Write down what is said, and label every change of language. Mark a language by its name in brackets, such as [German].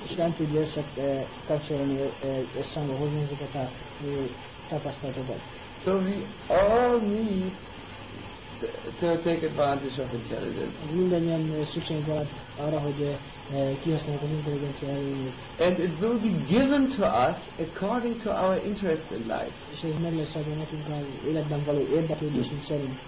[Hungarian] És nem tudja összekapcsolni összehangba hozni ezeket a tapasztalatokat. [English] So we all need to take advantage of intelligence. [Hungarian] Ez mindannyian szükség van arra, hogy kihasználjuk az intelligencia előnyét. [English] And it will be given to us according to our interest in life. [Hungarian] És ez meg lesz adva nekünk az életben való érdeklődésünk szerint.